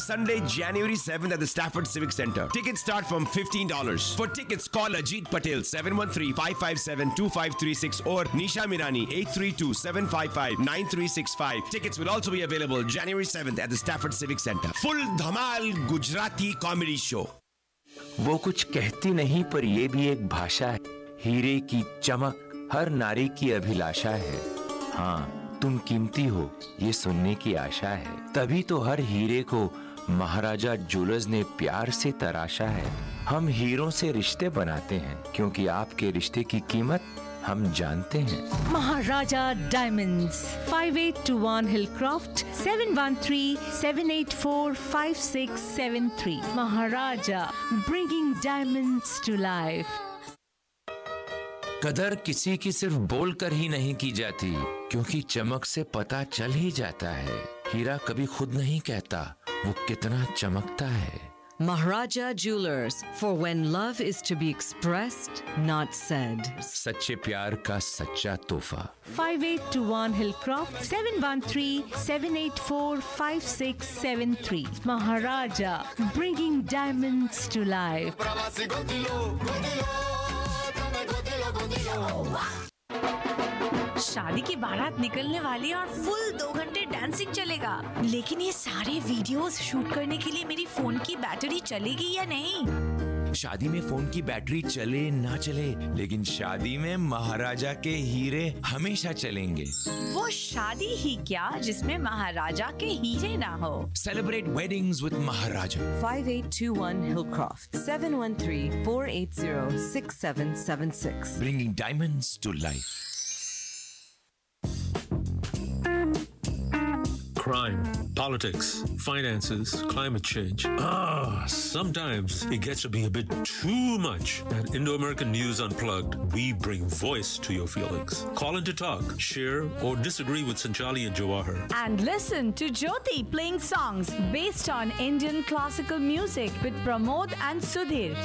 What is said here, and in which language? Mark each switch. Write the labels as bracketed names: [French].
[English] Sunday, January 7th at the Stafford Civic Center. Tickets start from $15. For tickets, call Ajit Patel 713-557-2536 or Nisha Mirani 832-755-9365. Tickets will also be available January 7th at the Stafford Civic Center. Full dhamal Gujarati comedy show [Hindi] वो कुछ कहती नहीं पर ये भी एक भाषा है हीरे की चमक हर नारी की अभिलाषा है हाँ तुम कीमती हो ये सुनने की आशा है तभी तो हर हीरे को महाराजा ज्वेलर्स ने प्यार से तराशा है हम हीरों से रिश्ते बनाते हैं क्योंकि आपके रिश्ते की कीमत हम जानते हैं [English] Maharaja diamonds 5821 Hillcroft 713-784-5673 Maharaja bringing diamonds to life [Hindi] कदर किसी की सिर्फ बोलकर ही नहीं की जाती क्योंकि चमक से पता चल ही जाता है हीरा कभी खुद नहीं कहता वो कितना चमकता है [English] Maharaja Jewelers, for when love is to be expressed, not said. [Hindi] Sache pyar ka sacha tohfa. [English] 5821 Hillcroft, 713-784-5673. Maharaja, bringing diamonds to life. [Hindi] शादी की बारात निकलने वाली और फुल दो घंटे डांसिंग चलेगा लेकिन ये सारे वीडियोस शूट करने के लिए मेरी फोन की बैटरी चलेगी या नहीं शादी में फोन की बैटरी चले ना चले लेकिन शादी में महाराजा के हीरे हमेशा चलेंगे वो शादी ही क्या जिसमें महाराजा के हीरे ना हो [English] Celebrate weddings with Maharaja 5821 Hillcroft 713-480-6776 bringing diamonds to life crime, politics, finances, climate change. Sometimes it gets to be a bit too much. At Indo-American News Unplugged, we bring voice to your feelings. Call in to talk, share, or disagree with Sanjali and Jawahar. And listen to Jyoti playing songs based on Indian classical music with Pramod and Sudhir.